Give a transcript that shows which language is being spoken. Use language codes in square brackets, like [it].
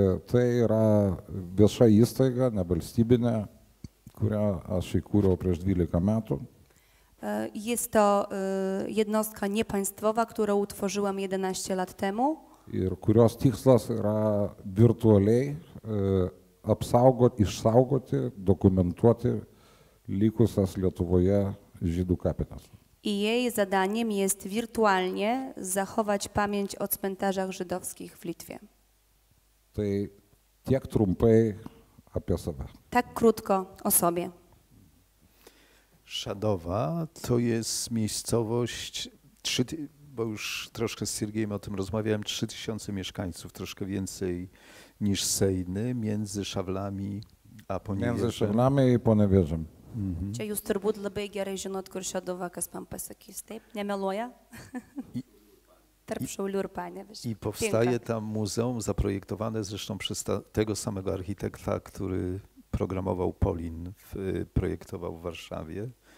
[lt] Tai yra vieša įstaiga, nevalstybinė, kurią aš įkūriau prieš 12 metų. [pl] Jest to jednostka niepaństwowa, którą utworzyłam 11 lat temu. [lt] Ir kurios tikslas yra virtualiai apsaugoti, išsaugoti, dokumentuoti likusias Lietuvoje žydų kapines. [pl] I jej zadaniem jest wirtualnie zachować pamięć o cmentarzach żydowskich w Litwie. [lt] Tai tiek trumpai apie save. [pl] Tak krótko o sobie. Szedowa to jest miejscowość, bo już troszkę z Siergiejem o tym rozmawiałem, 3000 mieszkańców, troszkę więcej niż Sejny, między Szawlami a Poniewierzem. Między Szawlami i Poniewierzem. [lt] Čia jūs turbūt labai gerai žinot, kur Šeduva, kas man pasakys, taip, nemeluoja, tarp Šaulių ir Panevėžio. [pl] I povstaje tam muzeum zaprojektowane zresztą przez tego samego architekta, który programował Polin, projektował w Warszawie.